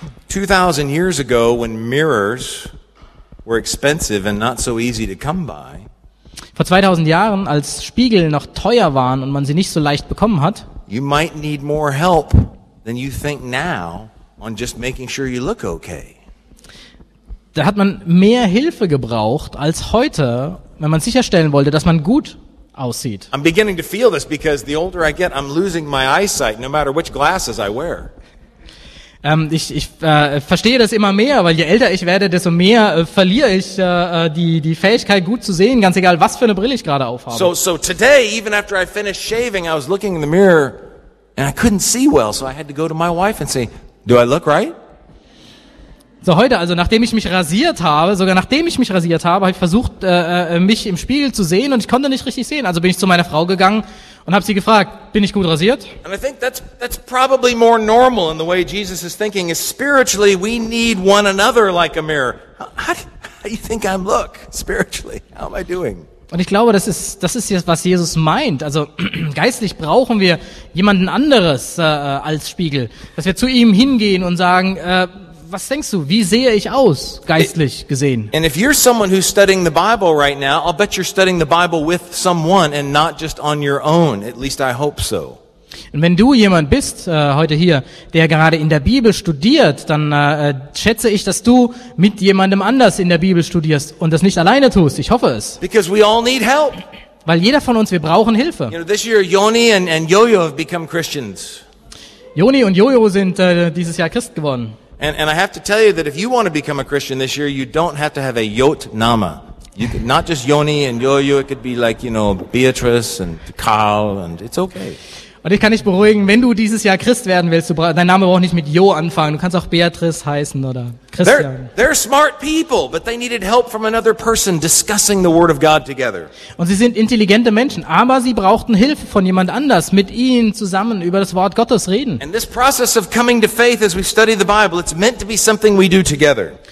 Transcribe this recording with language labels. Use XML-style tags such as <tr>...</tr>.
<en>2000 years ago, when mirrors were expensive and not so easy to come by.</en> <de>Vor 2000 Jahren, als Spiegel noch teuer waren und man sie nicht so leicht bekommen hat,</de> <en>you might need more help than you think now on just making sure you look okay.</en> <de>Da hat man mehr Hilfe gebraucht als heute, wenn man sicherstellen wollte, dass man gut aussieht.</de> <en>I'm beginning to feel this because the older I get, I'm losing my eyesight, no matter which glasses I wear.</en> <de>Ich verstehe das immer mehr, weil je älter ich werde, desto mehr verliere ich die Fähigkeit, gut zu sehen, ganz egal, was für eine Brille ich gerade aufhabe.</de> <en>So today, even after I finished shaving, I was looking in the mirror and I couldn't see well, so I had to go to my wife and say, do I look right?</en> <de>So heute, also nachdem ich mich rasiert habe, habe ich versucht, mich im Spiegel zu sehen und ich konnte nicht richtig sehen. Also bin ich zu meiner Frau gegangen und habe sie gefragt, bin ich gut rasiert?</de> <en>And I think that's probably more normal in the way Jesus is thinking, is spiritually we need one another like a mirror. How do you think I'm look spiritually? How am I doing?</en> <de>Und ich glaube, das ist jetzt, was Jesus meint. Also geistlich brauchen wir jemanden anderes als Spiegel, dass wir zu ihm hingehen und sagen, was denkst du, wie sehe ich aus, geistlich gesehen?</de> <en>And if you're someone who's studying the Bible right now, I'll bet you're studying the Bible with someone and not just on your own. At least I hope so.</en> <de>Und wenn du jemand bist, heute hier, der gerade in der Bibel studiert, dann schätze ich, dass du mit jemandem anders in der Bibel studierst und das nicht alleine tust. Ich hoffe es.</de> <en>Because we all need help.</en> <de>Weil jeder von uns, wir brauchen Hilfe.</de> <en>You know, this year Yoni and Yo-Yo have become Christians.</en> <de>Yoni und Yo-Yo sind dieses Jahr Christ geworden.</de> <en>And I have to tell you that if you want to become a Christian this year, you don't have to have a yot nama. You could not just Yoni and Yo-Yo, it could be like, you know, Beatrice and Karl, and it's okay.</en> <de>Und ich kann dich beruhigen, wenn du dieses Jahr Christ werden willst, dein Name braucht nicht mit Jo anfangen, du kannst auch Beatrice heißen oder Christian.</de> <en>They're smart people, but they needed help from another person discussing the word of God together.</en> <de>Und sie sind intelligente Menschen, aber sie brauchten Hilfe von jemand anders, mit ihnen zusammen über das Wort Gottes reden.</de> <en>And this process of coming to faith as we study the Bible, it's meant to be something we do together.</en>